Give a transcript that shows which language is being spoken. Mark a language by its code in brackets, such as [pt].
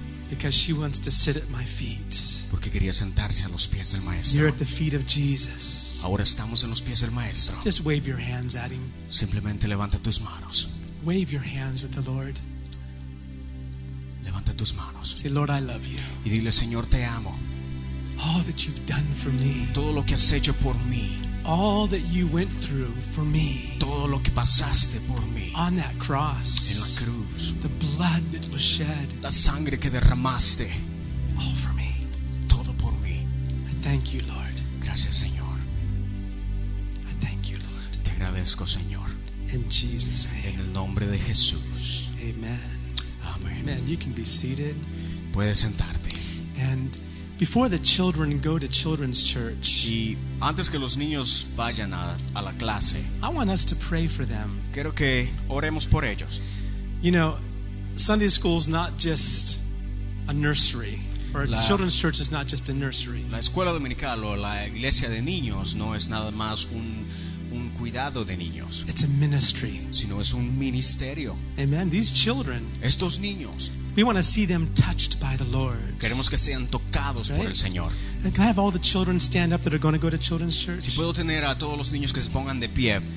[en] Because she wants to sit at my feet. [es] Porque quería sentarse a los pies del Maestro. [en] You're at the feet of Jesus. [es] Ahora estamos en los pies del Maestro. [en] Just wave your hands at him. [es] Simplemente levanta tus manos. [en] Wave your hands at the Lord. [es] Levanta tus manos. [en] Say, Lord, I love you. [es] Y dile, Señor, te amo. [en] All that you've done for me. [es] Todo lo que has hecho por mí. [en] All that you went through for me. [es] Todo lo que pasaste por mí. [en] On that cross. [es] En la cruz. [en] The blood that was shed. [es] La sangre que derramaste. [en] All for me. [es] Todo por mí. [en] I thank you, Lord. [es] Gracias, Señor. [en] I thank you, Lord. [es] Te agradezco, Señor. [en] In Jesus' name. [es] En el nombre de Jesús. [en] Amen. Amen. Amen. You can be seated. [es] Puedes sentarte. [en] And before the children go to children's church, [es] y antes que los niños vayan a la clase, [en] I want us to pray for them. [es] Quiero que oremos por ellos. [en] You know, Sunday school is not just a nursery, or la, children's church is not just a nursery. [es] La escuela dominical o la iglesia de niños no es nada más un cuidado de niños. [en] It's a ministry. [es] Sino es un ministerio. [en] Amen. These children. [es] Estos niños. [en] We want to see them touched by the Lord. [es] Queremos que sean tocados [en] right? [es] por el Señor. [en] And can I have all the children stand up that are going to go to children's church? [es] Si puedo tener a todos los niños que se pongan de pie.